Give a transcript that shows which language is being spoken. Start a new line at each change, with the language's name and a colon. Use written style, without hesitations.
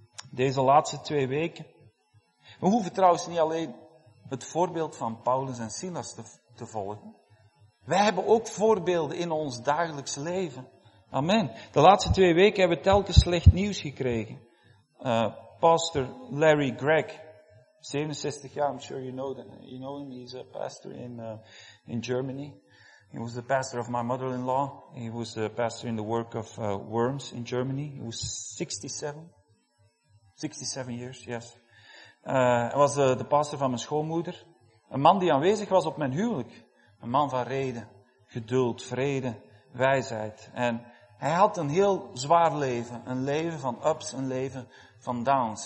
Dutch: Deze laatste twee weken. We hoeven trouwens niet alleen het voorbeeld van Paulus en Silas te volgen. Wij hebben ook voorbeelden in ons dagelijks leven. Amen. De laatste twee weken hebben we telkens slecht nieuws gekregen.
English: Pastor Larry Gregg,
Dutch: 67 jaar,
English: I'm sure you know him. He's a pastor in Germany. He was the pastor of my mother-in-law. He was a pastor in the work of Worms in Germany. He was 67 years, yes.
Dutch: Hij was de pastor van mijn schoonmoeder. Een man die aanwezig was op mijn huwelijk. Een man van reden, geduld, vrede, wijsheid. En hij had een heel zwaar leven. Een leven van ups, een leven van downs.